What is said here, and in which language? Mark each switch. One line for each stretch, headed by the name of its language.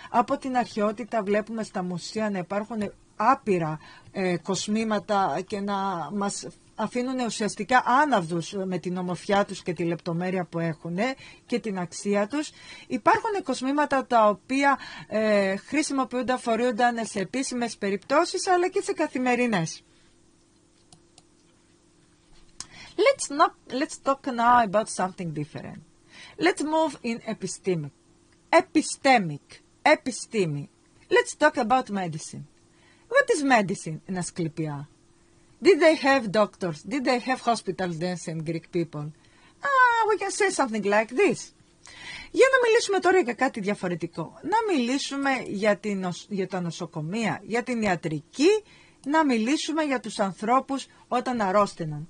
Greek: Από την αρχαιότητα βλέπουμε στα μουσεία να υπάρχουν άπειρα κοσμήματα και να μας αφήνουν ουσιαστικά άναυδους με την ομορφιά τους και τη λεπτομέρεια που έχουν και την αξία τους. Υπάρχουν κοσμήματα τα οποία χρησιμοποιούνταν, φορούνταν σε επίσημες περιπτώσεις, αλλά και σε καθημερινές.
English: Let's talk now about something different. Let's move in epistemic. Epistemic. Επιστήμη. Let's talk about medicine. What is medicine in Asclepia? Did they have doctors? Did they have hospitals then, some Greek people? We can say something like this.
Greek: Για να μιλήσουμε τώρα για κάτι διαφορετικό. Να μιλήσουμε για τα νοσοκομεία, για την ιατρική, να μιλήσουμε για τους ανθρώπους όταν αρρώστηναν.